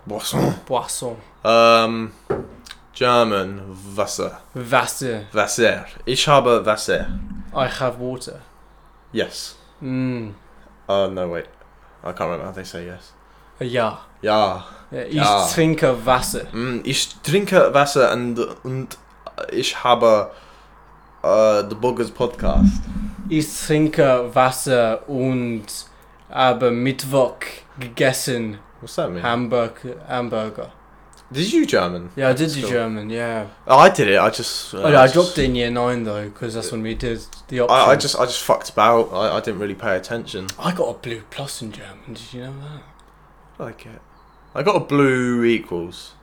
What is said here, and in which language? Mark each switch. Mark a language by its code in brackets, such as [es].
[fr] Boisson. Boisson. [en] German, Wasser. [de] Wasser. Wasser. Ich habe Wasser. [en] I have water. Yes. Mm. No, wait. I can't remember how they say yes. [de] Ja. Ja. Ich trinke Wasser. Ich trinke Wasser und ich habe the Boggers podcast. Ich trinke Wasser und habe Mittwoch gegessen. [en] What's that mean? Hamburger. Did you German? Yeah, I did do German, yeah. Oh, I did it, I just... Oh, yeah, I dropped it in year 9, though, because that's when we did the option. I just fucked about. I didn't really pay attention. I got a blue plus in German, did you know that? I like it. I got a blue equals.